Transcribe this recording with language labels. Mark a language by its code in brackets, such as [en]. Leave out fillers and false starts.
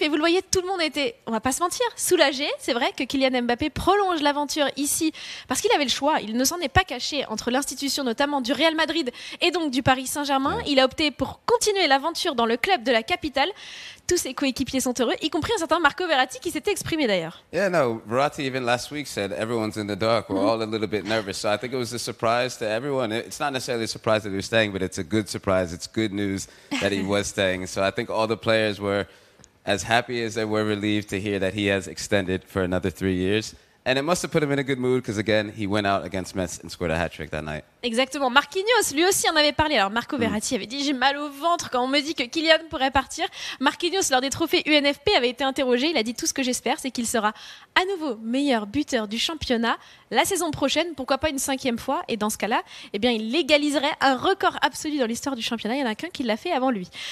[fr] Et vous le voyez, tout le monde était, on va pas se mentir, soulagé. C'est vrai que Kylian Mbappé prolonge l'aventure ici parce qu'il avait le choix, il ne s'en est pas caché, entre l'institution notamment du Real Madrid et donc du Paris Saint-Germain. Il a opté pour continuer l'aventure dans le club de la capitale. Tous ses coéquipiers sont heureux, y compris un certain Marco Verratti qui s'était exprimé d'ailleurs. [en] Yeah, no, Verratti even last week said everyone's in the dark, we're all a little bit nervous. So I think it was a surprise to everyone. It's not necessarily a surprise that he was staying, but it's a good surprise. It's good news that he was staying. So I think all the players were as happy as they were relieved to hear that he has extended for another 3 years. And it must have put him in a good mood because, again, he went out against Metz and scored a hat-trick that night. [fr] Exactement. Marquinhos, lui aussi, en avait parlé. Alors, Marco Verratti avait dit « J'ai mal au ventre quand on me dit que Kylian pourrait partir ». Marquinhos, lors des trophées UNFP, avait été interrogé. Il a dit « Tout ce que j'espère, c'est qu'il sera à nouveau meilleur buteur du championnat la saison prochaine, pourquoi pas une cinquième fois ». Et dans ce cas-là, eh bien, il légaliserait un record absolu dans l'histoire du championnat. Il n'y en a qu'un qui l'a fait avant lui.